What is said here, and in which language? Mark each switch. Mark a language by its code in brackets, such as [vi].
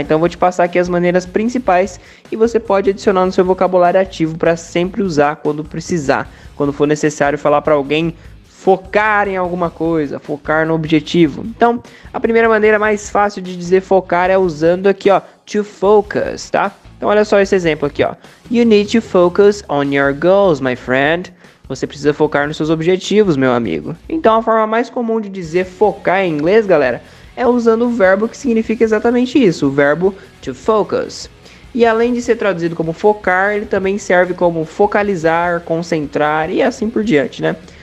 [pt] Então vou te passar aqui as maneiras principais e você pode adicionar no seu vocabulário ativo para sempre usar quando precisar, quando for necessário falar para alguém focar em alguma coisa, focar no objetivo. Então, a primeira maneira mais fácil de dizer focar é usando aqui, ó, to focus, tá? Então, olha só esse exemplo aqui, ó. [en] You need to focus on your goals, my friend. [pt] Você precisa focar nos seus objetivos, meu amigo. Então, a forma mais comum de dizer focar em inglês, galera, é usando o verbo que significa exatamente isso, o verbo to focus. E além de ser traduzido como focar, ele também serve como focalizar, concentrar e assim por diante, né?